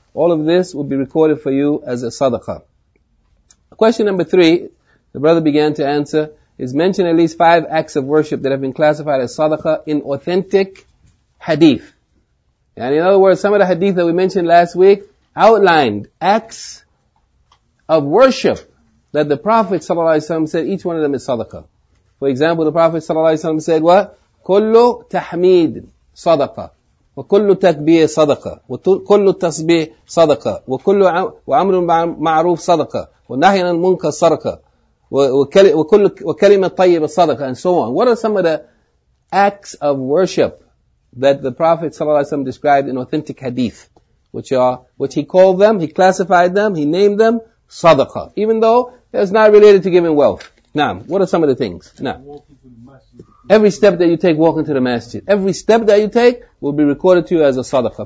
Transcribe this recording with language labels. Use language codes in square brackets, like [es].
[en] All of this will be recorded for you as a sadaqah. Question number three, the brother began to answer, is mention at least five acts of worship that have been classified as sadaqah in authentic hadith. And in other words, some of the hadith that we mentioned last week outlined acts of worship that the Prophet ﷺ said each one of them is sadaqah. For example, the Prophet ﷺ said what? [ar] Kullu tahmid sadaqah. وكل تكبير صدقة وكل تسبيح صدقة وكل وأمر معروف صدقة ونهي عن المنكر صدقة وكلمة طيبة صدقة [en] and so on. What are some of the acts of worship that the Prophet [ar] صلى الله عليه وسلم [en] described in authentic hadith, which he called them, he classified them, he named them صدقة, even though it's not related to giving wealth. Now, what are some of the things? Now. Every step that you take walking to the masjid, every step that you take will be recorded to you as a sadaqah.